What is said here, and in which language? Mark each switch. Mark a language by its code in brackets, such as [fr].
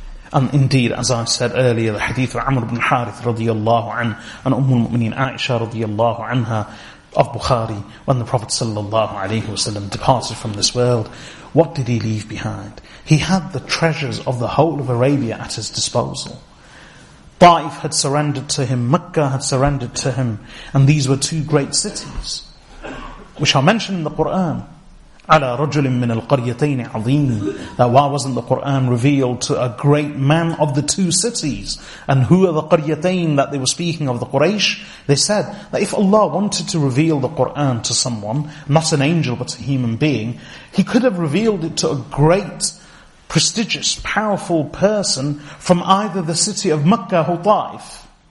[en] And indeed, as I said earlier, the hadith of Amr ibn Harith radiyallahu anhu, and Ummul Mu'mineen Aisha radiyallahu anha of Bukhari, when the Prophet sallallahu alayhi wasallam departed from this world, what did he leave behind? He had the treasures of the whole of Arabia at his disposal. Taif had surrendered to him, Mecca had surrendered to him, and these were two great cities, which are mentioned in the Qur'an. [ar] على رجل من القريتين عظيم. [en] Now, why wasn't the Quran revealed to a great man of the two cities? And who are the قريتين that they were speaking of, the Quraysh? They said that if Allah wanted to reveal the Quran to someone, not an angel but a human being, He could have revealed it to a great, prestigious, powerful person from either the city of Makkah or Taif.